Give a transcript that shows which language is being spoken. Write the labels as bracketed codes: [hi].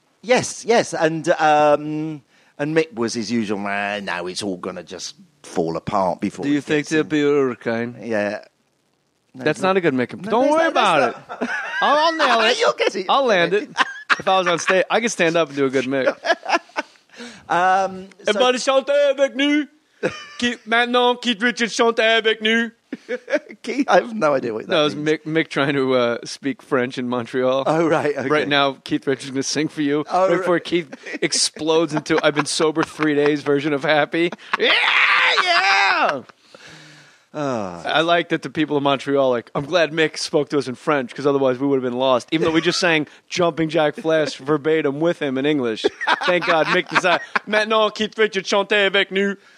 [en] Yes, and Mick was his usual man. Now it's all going to just. Fall apart before. Do you think there'll be a hurricane? Yeah. No, that's not a good makeup. No, don't worry about it. I'll nail it. You'll get it. I'll land it. If I was on stage, I could stand up and do a good mic. [fr] Everybody chante avec nous. Maintenant, Keith Richards chante avec nous. [en] Keith, I have no idea what that means. It was Mick trying to speak French in Montreal. Oh, right. Okay. Right now, Keith Richards is going to sing for you before Keith explodes into I've been sober 3 days version of happy. Yeah! I like that the people of Montreal are like, I'm glad Mick spoke to us in French because otherwise we would have been lost. Even though we just sang Jumping Jack Flash verbatim with him in English. Thank God Mick decided. [fr] Maintenant, Keith Richards chante avec nous.